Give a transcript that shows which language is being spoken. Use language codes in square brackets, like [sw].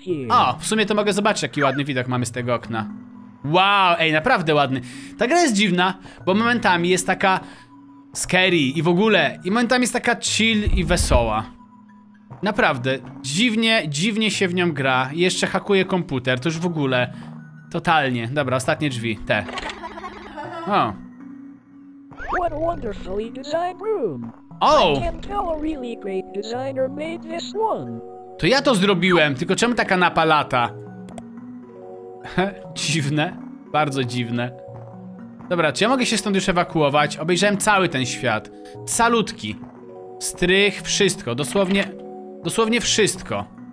[pl] O, w sumie to mogę zobaczyć, jaki ładny widok mamy z tego okna. Wow, ej, naprawdę ładny. Ta gra jest dziwna, bo momentami jest taka scary i w ogóle. I momentami jest taka chill i wesoła. Naprawdę, dziwnie się w nią gra. I jeszcze hakuje komputer, to już w ogóle. Totalnie, dobra, ostatnie drzwi, te. O. [en] What a wonderfully designed room. Oh. I can't tell a really great designer made this one. [pl] To ja to zrobiłem, tylko czemu taka napa lata? Dziwne, bardzo dziwne. Dobra, czy ja mogę się stąd już ewakuować? Obejrzałem cały ten świat. Calutki. Strych, wszystko, dosłownie wszystko.